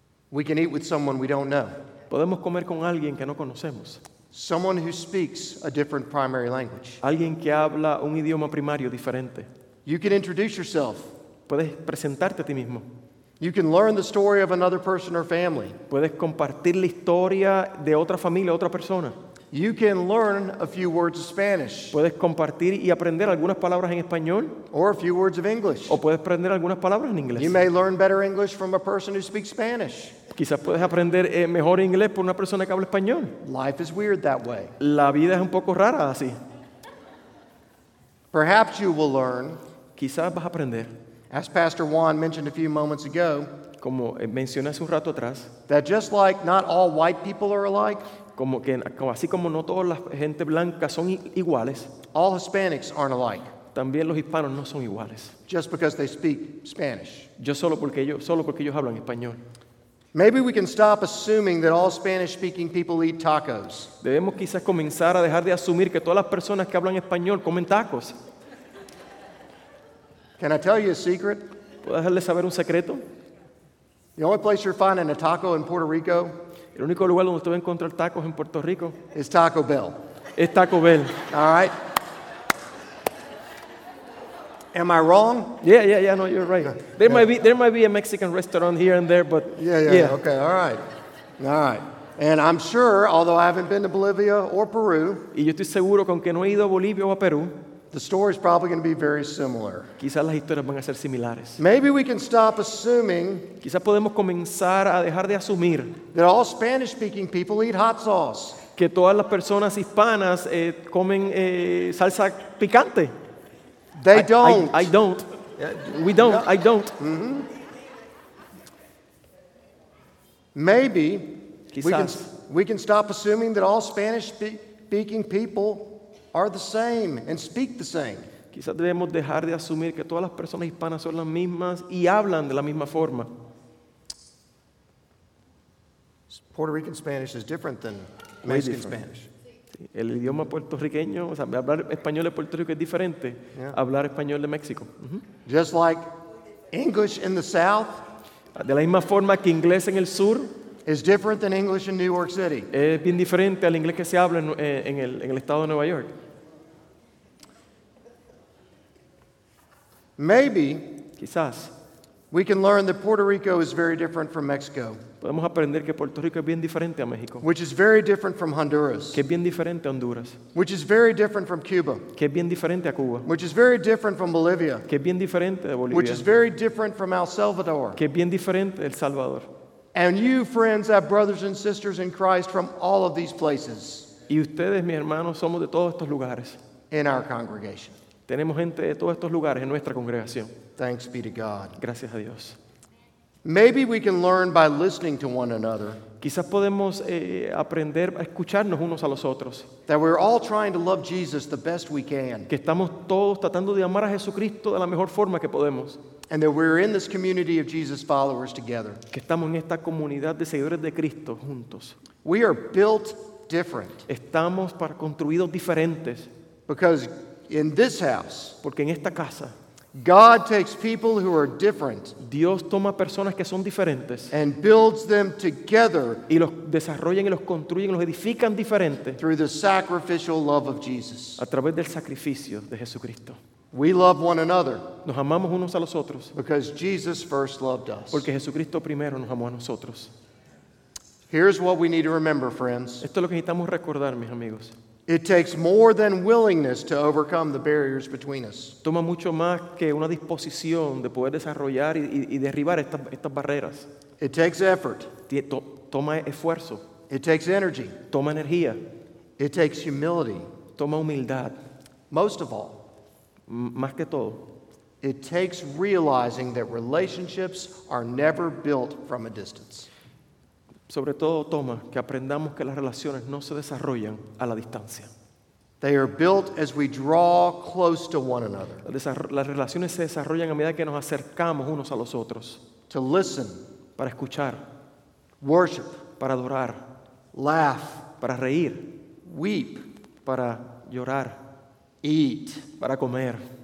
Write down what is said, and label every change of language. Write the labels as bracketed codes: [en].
[en] we can eat with someone we don't know. [es] Podemos comer con alguien que no conocemos. [en] Someone who speaks a different primary language. [es] Alguien que habla un idioma primario diferente. [en] You can introduce yourself. [es] Puedes presentarte a ti mismo. [en] You can learn the story of another person or family. [es] Puedes compartir la historia de otra familia, otra persona. [en] You can learn a few words of Spanish. [es] Puedes compartir y aprender algunas palabras en español. [en] Or a few words of English. [es] O puedes aprender algunas palabras en inglés. [en] You may learn better English from a person who speaks Spanish. [es] Quizás puedes aprender mejor inglés por una persona que habla español. [en] Life is weird that way. [es] La vida es un poco rara así. [en] Perhaps you will learn. [es] Quizás vas a aprender. [en] As Pastor Juan mentioned a few moments ago, [es] como mencioné hace un rato atrás, [en] that just like not all white people are alike, [es] como que así como no todas las gente blanca son iguales, [en] all Hispanics aren't alike. [es] También los hispanos no son iguales. [en] Just because they speak Spanish. [es] Solo porque ellos hablan español. [en] Maybe we can stop assuming that all Spanish-speaking people eat tacos. [es] Debemos quizás comenzar a dejar de asumir que todas las personas que hablan español comen tacos. [en] Can I tell you a secret? [es] ¿Puedo dejarles saber un secreto? [en] The only place you're finding a taco in Puerto Rico, [es] el único lugar donde usted va a encontrar tacos en Puerto Rico, [en] is Taco Bell. [es] Es Taco Bell. [en] All right. Am I wrong? Yeah. No, you're right. There might be a Mexican restaurant here and there, but yeah. Okay. All right. And I'm sure, although I haven't been to Bolivia or Peru, [es] y yo estoy seguro con que no he ido a Bolivia o a Perú. [en] The story is probably going to be very similar. [es] Quizás las historias van a ser similares. [en] Maybe we can stop assuming. [es] Quizás podemos comenzar a dejar de asumir [en] that all Spanish-speaking people eat hot sauce. [es] Que todas las personas hispanas comen salsa picante. [en] They don't. I don't. We don't. No. I don't. Mm-hmm. Maybe [es] quizás [en] we can stop assuming that all Spanish-speaking people are the same and speak the same. [es] Quizás debemos dejar de asumir que todas las personas hispanas son las mismas y hablan de la misma forma. [en] Puerto Rican Spanish is different than Mexican Spanish. [es] El idioma puertorriqueño, o sea, hablar español de Puerto Rico es diferente a hablar español de México. [en] Just like English in the South, [es] de la misma forma que inglés en el sur, [en] is different than English in New York City. [es] Es bien diferente al inglés que se habla en el estado de Nueva York. [en] Maybe, [es] quizás, [en] we can learn that Puerto Rico is very different from Mexico. [es] Podemos aprender que Puerto Rico es bien diferente a México. [en] Which is very different from Honduras. [es] Que es bien diferente a Honduras. [en] Which is very different from Cuba. [es] Que es bien diferente a Cuba. [en] Which is very different from Bolivia. [es] Que es bien diferente de Bolivia. [en] Which is very different from El Salvador. [es] Que es bien diferente de El Salvador. [en] And you, friends, have brothers and sisters in Christ from all of these places. [es] Y ustedes, mis hermanos, somos de todos estos lugares. [en] In our congregation. [es] Tenemos gente de todos estos lugares en nuestra congregación. [en] Thanks be to God. [es] Gracias a Dios. [en] Maybe we can learn by listening to one another. [es] Quizás podemos aprender a escucharnos unos a los otros. [en] That we're all trying to love Jesus the best we can. [es] Que estamos todos tratando de amar a Jesucristo de la mejor forma que podemos. [en] And that we're in this community of Jesus followers together. [es] Que estamos en esta comunidad de seguidores de Cristo juntos. [en] We are built different. [es] Estamos construidos diferentes. [en] Because in this house, [es] porque en esta casa, [en] God takes people who are different. [es] Dios toma personas que son diferentes. [en] And builds them together. [es] Y los desarrolla y los construye y los edifica diferente. [en] Through the sacrificial love of Jesus. [es] A través del sacrificio de Jesucristo. [en] We love one another. [es] Nos amamos unos a los otros. [en] Because Jesus first loved us. [es] Porque Jesucristo primero nos amó a nosotros. [en] Here's what we need to remember, friends. [es] Esto es lo que necesitamos recordar, mis amigos. [en] It takes more than willingness to overcome the barriers between us. [es] Toma mucho más que una disposición de poder desarrollar y derribar estas barreras. [en] It takes effort. [es] Toma esfuerzo. [en] It takes energy. [es] Toma energía. [en] It takes humility. [es] Toma humildad. [en] Most of all, [es] más que todo, [en] it takes realizing that relationships are never built from a distance. [es] Sobre todo toma que aprendamos que las relaciones no se desarrollan a la distancia. [en] They are built as we draw close to one another. [es] Las relaciones se desarrollan a medida que nos acercamos unos a los otros. [en] To listen, [es] para escuchar. [en] Worship, [es] para adorar. [en] Laugh, [es] para reír. [en] Weep, [es] para llorar. [en] Eat, [es] para comer.